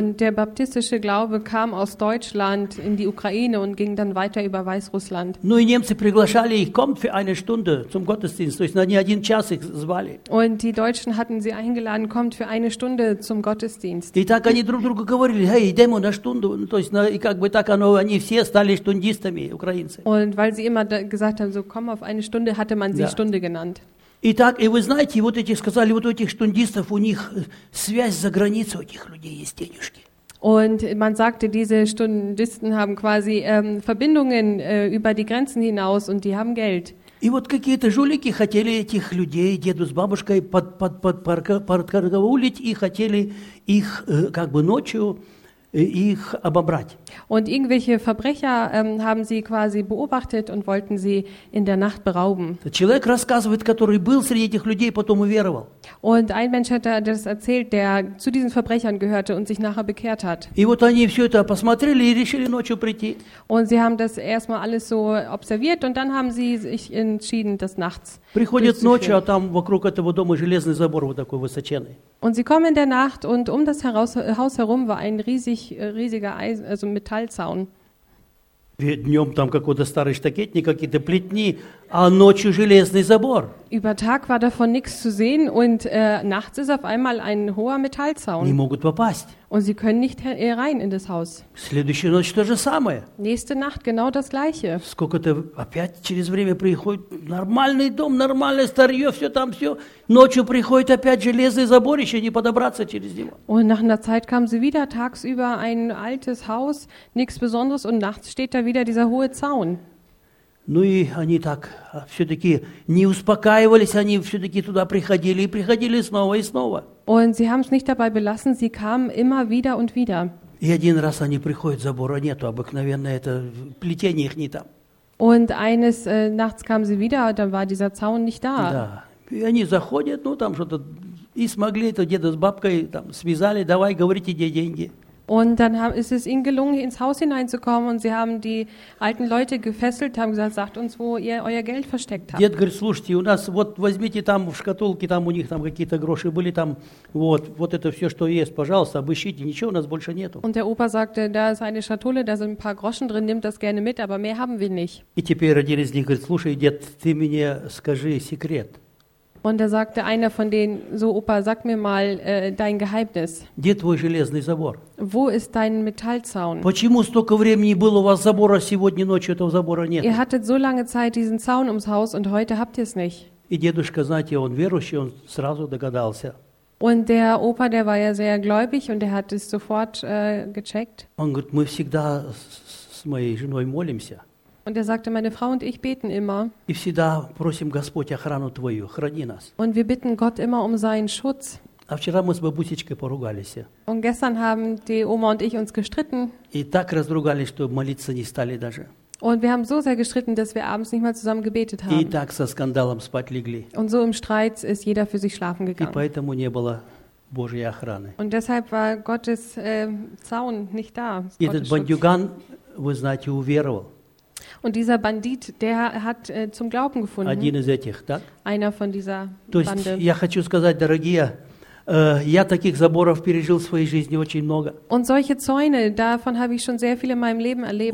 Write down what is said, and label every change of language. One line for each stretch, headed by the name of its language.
German: Und der baptistische Glaube kam aus Deutschland in die Ukraine und ging dann weiter über Weißrussland.
Russian: Ну и немцы приглашали их,
German: kommt für eine Stunde zum Gottesdienst,
Russian: то есть на не один час их звали.
German: Und die Deutschen hatten sie eingeladen, kommt für eine Stunde zum Gottesdienst.
Russian: И так они друг другу говорили: "Эй, идем на штунду", то есть на, и как бы так оно, они все стали штундистами, украинцы.
German: Und weil sie immer gesagt haben, so komm auf eine Stunde, hatte man sie Stunde genannt.
Russian: И так, и вы знаете, вот эти сказали, вот у этих штундистов у них связь за границу, у этих людей есть денежки.
German: Und man sagte, diese Stundisten haben quasi Verbindungen über die Grenzen hinaus und die haben Geld.
Russian: И вот какие-то жулики хотели этих людей, деду с бабушкой, подкараулить и хотели их как бы ночью их обобрать.
German: Und irgendwelche Verbrecher haben sie quasi beobachtet und wollten sie in der Nacht berauben.
Russian: Человек рассказывает, который был среди этих людей, потом уверовал.
German: Und ein Mensch hat das erzählt, der zu diesen Verbrechern gehörte und sich nachher bekehrt hat.
Russian: И вот они все это посмотрели и решили ночью прийти.
German: Und sie haben das erstmal alles so observiert und dann haben sie sich entschieden, das nachts.
Russian: Приходят ночью, а там вокруг этого дома железный забор вот такой высоченный.
German: Und sie kommen in der Nacht und um das Haus herum war ein riesiger Eisen, also Metallzaun.
Russian: Днем там какой-то старый штакетник, какие-то плетни, а ночью железный забор.
German: Über Tag war davon nichts zu sehen und nachts ist auf einmal ein hoher Metallzaun.
Russian: Не могут попасть.
German: Und sie können nicht rein in das Haus.
Russian: Следующая ночь то же самое.
German: Nächste Nacht genau das gleiche.
Russian: Сколько-то опять через время приходит нормальный дом, нормальное старье, все там все. Ночью приходит опять железный забор, еще не подобраться через него.
German: Und nach einer Zeit kamen sie wieder tagsüber ein altes Haus, nichts Besonderes und nachts steht da wieder dieser hohe Zaun.
Russian: Ну и они так все-таки не успокаивались, они все-таки туда приходили и приходили снова и снова.
German: Und sie haben es nicht dabei belassen, sie kamen immer wieder und wieder.
Russian: И один раз они приходят, забора нету, обыкновенно это плетение их не там.
German: Und eines nachts kamen sie wieder, dann war dieser Zaun nicht da.
Russian: Да, и они заходят, ну там что-то, и смогли это деда с бабкой там связали, давай говорите, где деньги.
German: Und dann ist es ihnen gelungen, ins Haus hineinzukommen und sie haben die alten Leute gefesselt, haben gesagt, sagt uns, wo ihr euer Geld versteckt habt.
Russian: Дед говорит, слушайте, у нас, вот возьмите там в шкатулке, там у них там какие-то гроши были, там вот, вот это все, что есть, пожалуйста, обыщите, ничего у нас больше нету.
German: Und der Opa sagte, da ist eine Schatulle, da sind ein paar Groschen drin, nimmt das gerne mit, aber mehr haben wir nicht.
Russian: И теперь один из них говорит, слушай, дед, ты мне скажи секрет.
German: Und da sagte einer von denen, so Opa, sag mir mal dein Geheimnis.
Russian: Где твой железный забор?
German: Wo ist dein Metallzaun?
Russian: Почему столько времени было у вас забора, сегодня ночью этого забора нет?
German: Ihr hattet so lange Zeit diesen Zaun ums Haus und heute habt ihr es nicht.
Russian: И дедушка, знаете, он верующий, он сразу догадался.
German: Und der Opa, der war ja sehr gläubig und er hat es sofort gecheckt.
Russian: Он говорит, мы всегда с моей женой молимся.
German: Und er sagte, meine Frau und ich beten immer.
Russian: И всегда просим Господь охрану твою, храни нас.
German: Und wir bitten Gott immer um seinen Schutz.
Russian: А вчера мы с бабусечкой поругались.
German: Und gestern haben die Oma und ich uns gestritten.
Russian: И так разругались, что молиться не стали даже.
German: Und wir haben so sehr gestritten, dass wir abends nicht mal zusammen gebetet haben.
Russian: И так со скандалом спать легли.
German: Und so im Streit ist jeder für sich schlafen gegangen.
Russian: И поэтому не было Божьей охраны.
German: Und deshalb war Gottes Zaun nicht da.
Russian: И этот бандюган, вы знаете, уверовал.
German: Und dieser Bandit, der hat zum Glauben gefunden.
Russian: Один из этих, так?
German: Einer von dieser
Russian: То есть,
German: Bande. Я хочу сказать, дорогие, я таких заборов пережил в своей жизни очень много. Und solche Zäune, davon habe ich schon sehr viele in meinem Leben erlebt.